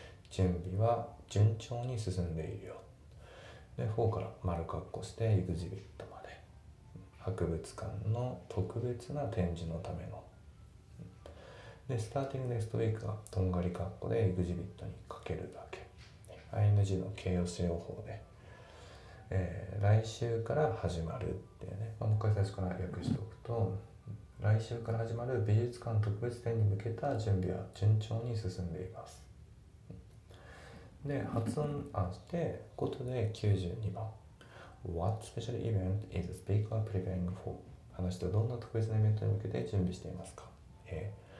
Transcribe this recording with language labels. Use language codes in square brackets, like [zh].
[ja] 準備は順調に進んでいるよ。で、4から丸括弧してエグジビットまで、博物館の特別な展示のための、で、 [en] スターティングネストウィーク [ja] はとんがり括弧でエグジビットにかけるだけ、 ING の形容詞用法で、来週から始まるっていうね、まあ、もう一回最初から訳しておくと、来週から始まる美術館特別展に向けた準備は順調に進んでいます。で、発音あって、ことで92番。 [en] What special event is the speaker preparing for? [ja] 話してどんな特別なイベントに向けて準備していますか ?A.